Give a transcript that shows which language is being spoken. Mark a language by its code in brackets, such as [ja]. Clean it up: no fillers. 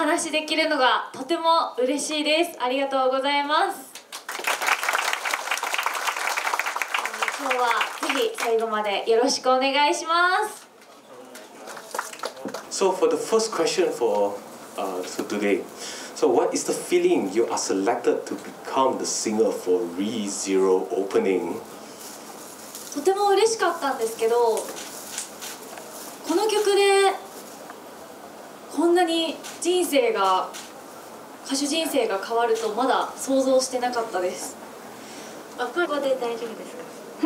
[ja] できるのがとても嬉しいです。ありがとうございます。今日はぜひ最後までよろしくお願いします。 [en] So for the first question for、so today, so what is the feeling you are selected to become the singer for ReZero opening? [ja] とても嬉しかったんですけど、この曲でこんなに人生が、歌手人生が変わるとまだ想像してなかったです。あ、ここで大丈夫ですか？